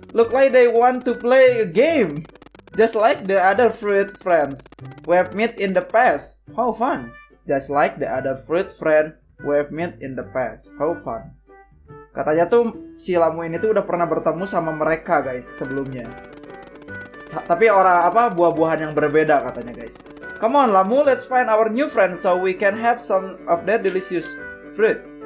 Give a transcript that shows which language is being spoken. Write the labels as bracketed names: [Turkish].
[English] Look like they want to play a game. Just like the other fruit friends we've met in the past. How fun. Just like the other fruit friend we've met in the past. How fun. [Indonesian] Katanya tuh si Lemu ini tuh udah pernah bertemu sama mereka guys sebelumnya. Tapi orang apa buah-buahan yang berbeda katanya guys. [English] Come on Lemu, let's find our new friend so we can have some of that delicious fruit.